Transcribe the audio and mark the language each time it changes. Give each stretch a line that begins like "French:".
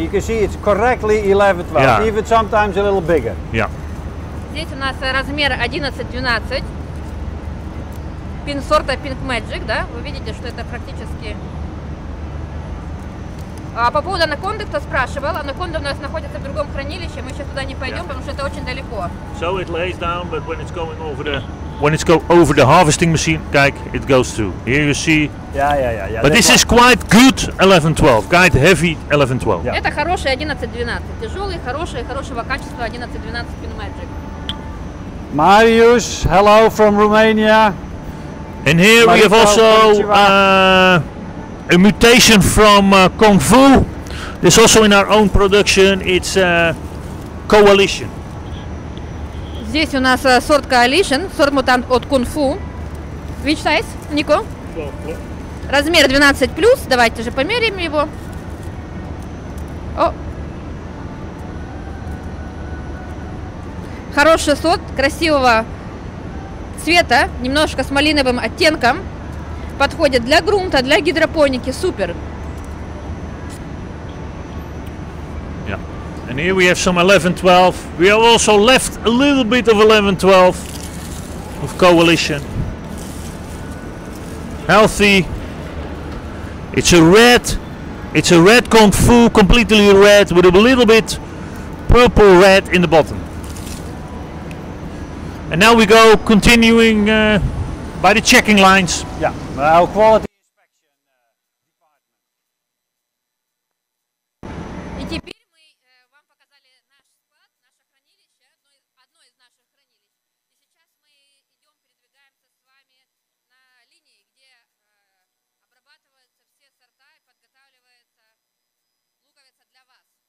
English: You can see it's correctly 11-12. Yeah. Even sometimes a little bigger. Yeah.
Russian: Здесь у нас размер 11-12. Пин сорта Pink Magic, да? Вы видите, что это практически. А по поводу анаконды, кто спрашивал, анаконда у нас находится в другом хранилище, мы сейчас туда не пойдем, потому что это очень далеко.
English: So it lays down, but when it's going over the harvesting machine, kijk, it goes through. Here you see. Yeah. But this is quite good 11-12, quite heavy 11-12. Yeah.
Russian: Это хороший 11-12, тяжелый, хороший, хорошего качества 11-12 Pin Magic.
English: Marius, hello from Romania. And here Marius, we have also a mutation from Kung Fu. It's also in our own production. It's Coalition.
Russian: Здесь у нас сорт Coalition, сорт мутант от Kung Fu.
English: Which size, Nico? 12.
Russian: Размер 12+. Давайте же померим его. Oh. Хороший сорт, красивого цвета, немножко с малиновым оттенком. Подходит для грунта, для гидропоники, супер.
English: Yeah. And here we have some 11-12. We have also left a little bit of 11-12 of Coalition. Healthy. It's a red Kung Fu, completely red, with a little bit purple red in the bottom. And now we go continuing by the checking lines. Yeah. Our quality inspection department.
Russian: И теперь мы вам показали наш склад, наше хранилище, одно из наших хранилищ. И сейчас мы идем, передвигаемся с вами на линии, где обрабатываются все сорта и подготавливается луковица для вас.